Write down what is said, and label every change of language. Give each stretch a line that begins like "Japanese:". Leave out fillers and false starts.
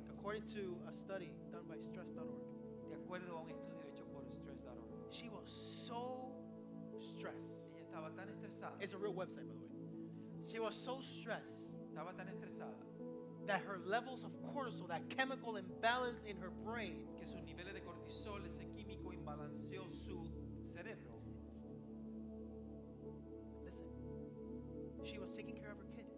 English: According to a study done by stress.org,
Spanish: de acuerdo a un estudio hecho por stress.org,
English: she was so stressed.
Spanish: Ella estaba tan estresada.
English: It's a real website, by the way. She was so stressed.
Spanish: Estaba tan estresada.
English: That her levels of cortisol, that chemical imbalance in her brain,
Spanish: que sus niveles de cortisol, ese químico imbalanceó su cerebro.
English: Listen, she was taking care of her kid.